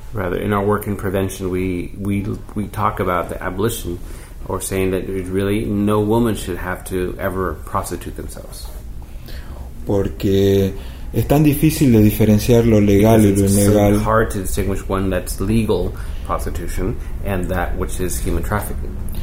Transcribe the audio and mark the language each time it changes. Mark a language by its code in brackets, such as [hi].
[en] Rather, in our work in prevention, we talk about the abolition, or saying that really no woman should have to ever prostitute themselves. [es] Porque es tan difícil de diferenciar lo legal y lo ilegal. [en] It's hard to distinguish one that's legal prostitution and that which is human trafficking.